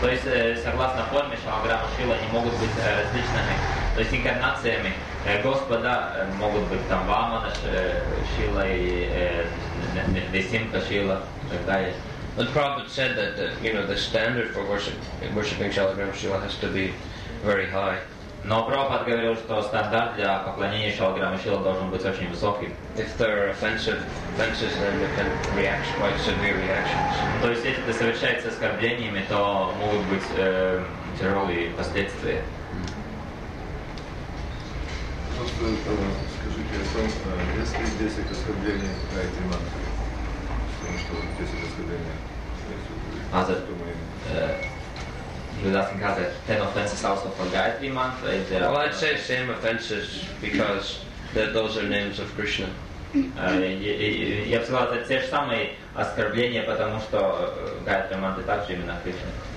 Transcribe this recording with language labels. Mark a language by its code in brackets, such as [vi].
[ru] То есть согласно форме Шалограмма Шила они могут быть различными, то есть инкарнациями Господа могут быть там Вамана Шила и Нрсинга Шила и так далее. [en] But Prabhupada said that you know the standard for worshiping Шалограмма Шила has to be very high. [ru] Но Прабхупад говорил, что стандарт для поклонения Шалограмма Шила должен быть очень высоким. [en] If there are offensive offenses, then they can react quite severe reactions. [ru] То есть если это совершается оскорблениями, то могут быть тяжелые последствия. Просто скажите о том, если 10 оскорблений на эти мантры, что 10 оскорблений, что мы... [en] You would ask the 10 offenses also for Gayatri Mantra? Well, I'd say same offenses because those are names of Krishna. [ru] Я бы сказал, это те же самые оскорбления, потому что Гайатри Мантры также именно Кришна.